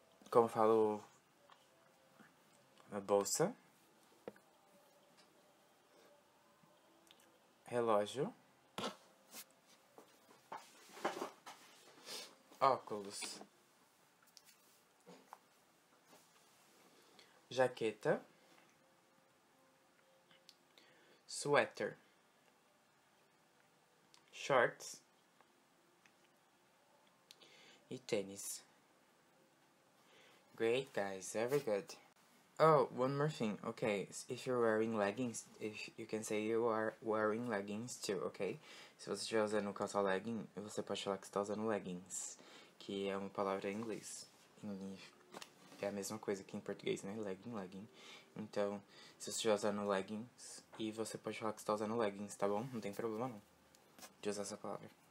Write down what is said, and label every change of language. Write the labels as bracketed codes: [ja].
[pt] Como eu falo, uma bolsa, relógio, óculos, jaqueta, suéter, shorts e tênis. [en] Great, guys. Very good. Oh, one more thing. Okay, if you're wearing leggings, if you can say you are wearing leggings too, okay? [pt] Se você estiver usando calça legging, você pode falar que você está usando leggings, que é uma palavra em inglês. É a mesma coisa que em português, né? Legging. Então, se você estiver usando leggings, e você pode falar que você está usando leggings, tá bom? Não tem problema, não, de usar essa palavra.